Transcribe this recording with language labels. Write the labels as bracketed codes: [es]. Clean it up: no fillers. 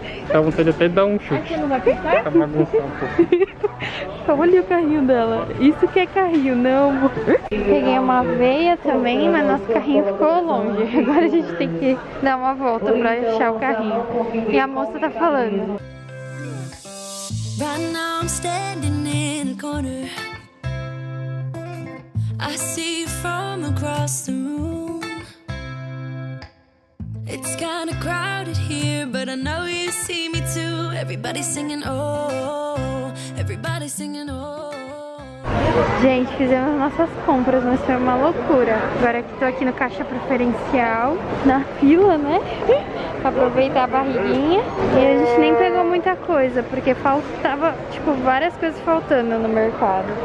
[pt] Dá vontade até de dar um chute. Tá bagunçando um pouco. Olha o carrinho dela. Isso que é carrinho, não, amor. Peguei uma aveia também, mas nosso carrinho ficou longe. Agora a gente tem que dar uma volta pra achar o carrinho. E a moça tá falando. [en] Right now I'm standing in the corner. I see from across the room. It's kinda crowded here, but I know you see me too. Everybody singing oh, everybody singing oh. [pt] Gente, fizemos nossas compras, mas foi uma loucura. Agora que tô aqui no caixa preferencial, na fila, né? Pra aproveitar a barriguinha. E a gente nem pegou muita coisa, porque faltava, tipo, várias coisas faltando no mercado.